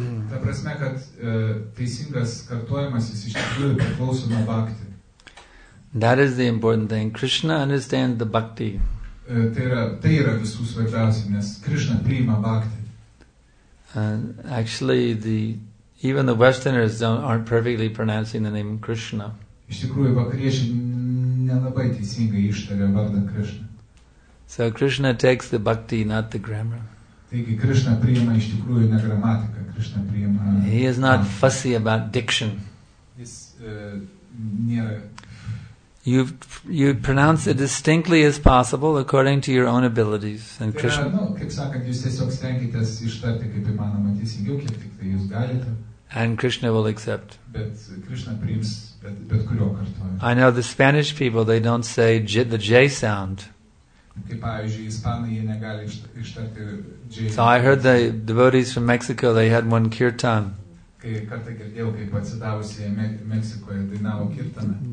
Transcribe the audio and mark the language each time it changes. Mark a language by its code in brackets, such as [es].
[lt] Ta prasme, kad teisingas kartojimas jis iš tikrųjų priklauso nuo bhakti. [en] That is the important thing. Krishna understands the bhakti. [lt] Tai yra visų svarbiausia, nes Krishna priima bhakti. [en] Actually, even the Westerners aren't perfectly pronouncing the name Krishna. [lt] Iš tikrųjų, vakariečiai nelabai teisingai ištaria vardą Krishna. [en] So Krishna takes the bhakti, not the grammar. [lt] Taigi Krishna priima iš tikrųjų ne gramatiką, Krishna priima. [en] He is not fussy about diction. [lt] Jis nėra. [en] You pronounce it distinctly as possible according to your own abilities and Krishna. [lt] Nu, kaip sakant, jūs tiesiog stengitės ištarti kaip įmanoma teisingiau, kiek tik tai jūs galite. [en] And Krishna will accept. [lt] Bet Krishna priims bet kurio kartojimo. [en] I know the Spanish people, they don't say the J sound. [lt] Kaip, pavyzdžiui, Ispanai, jie negali ištarti džiai. [en] So I heard the devotees from Mexico, they had one kirtan. [lt] Kai kartą girdėjau, kaip atsidavusi Meksikoje dainavo kirtaną.